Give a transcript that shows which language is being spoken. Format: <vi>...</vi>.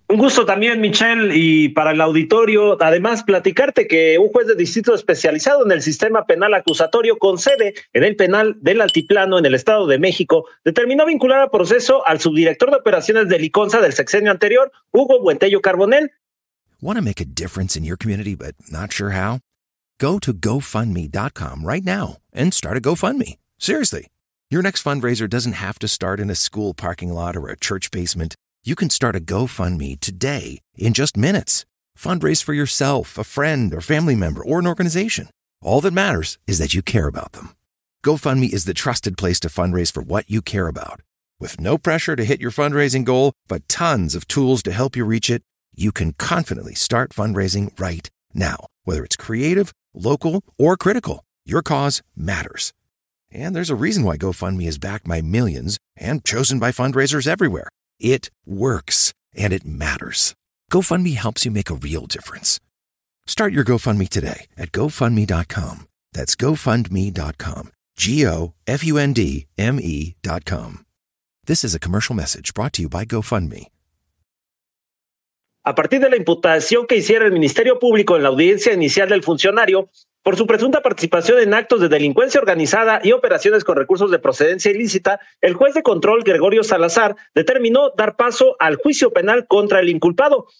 <es>Un gusto también, Michelle, y para el auditorio, además, platicarte que un juez de distrito especializado en el sistema penal acusatorio con sede en el penal del Altiplano en el Estado de México determinó vincular a proceso al subdirector de operaciones de Liconsa del sexenio anterior, Hugo Buentello Carbonell.</es> <en>Want to make a difference in your community but not sure how? Go to GoFundMe.com right now and start a GoFundMe. Seriously, your next fundraiser doesn't have to start in a school parking lot or a church basement. You can start a GoFundMe today in just minutes. Fundraise for yourself, a friend, or family member, or an organization. All that matters is that you care about them. GoFundMe is the trusted place to fundraise for what you care about. With no pressure to hit your fundraising goal, but tons of tools to help you reach it, you can confidently start fundraising right now. Whether it's creative, local, or critical, your cause matters. And there's a reason why GoFundMe is backed by millions and chosen by fundraisers everywhere. It works, and it matters. GoFundMe helps you make a real difference. Start your GoFundMe today at GoFundMe.com. That's GoFundMe.com. GoFundMe.com. This is a commercial message brought to you by GoFundMe.</en> <es>A partir de la imputación que hiciera el Ministerio Público en la audiencia inicial del funcionario por su presunta participación en actos de delincuencia organizada y operaciones con recursos de procedencia ilícita, el juez de control, Gregorio Salazar, determinó dar paso al juicio penal contra el inculpado.</es>